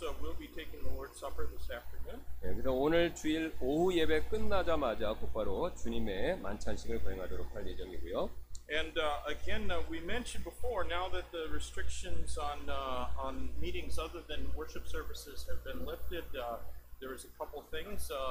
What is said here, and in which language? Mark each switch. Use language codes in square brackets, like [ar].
[en] We'll be taking the Lord's Supper this afternoon. [ko] 예, 그래서 오늘 주일 오후 예배 끝나자마자 곧바로 주님의 만찬식을 거행하도록 할 예정이고요. [en] And again, we mentioned before, now that the restrictions on meetings other than worship services have been lifted, there is a couple things.